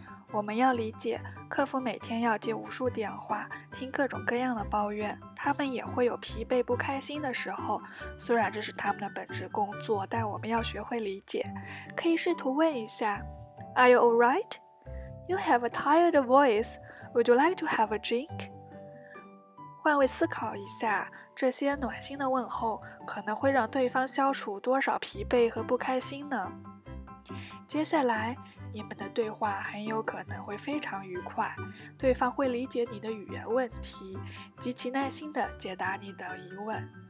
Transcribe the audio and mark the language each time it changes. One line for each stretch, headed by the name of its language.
Chinese: 我们要理解，客服每天要接无数电话，听各种各样的抱怨，他们也会有疲惫不开心的时候，虽然这是他们的本职工作，但我们要学会理解，可以试图问一下
English: Are you alright? You have a tired voice, would you like to have a drink?
Chinese: 换位思考一下，这些暖心的问候可能会让对方消除多少疲惫和不开心呢？接下来，你们的对话很有可能会非常愉快，对方会理解你的语言问题，极其耐心地解答你的疑问。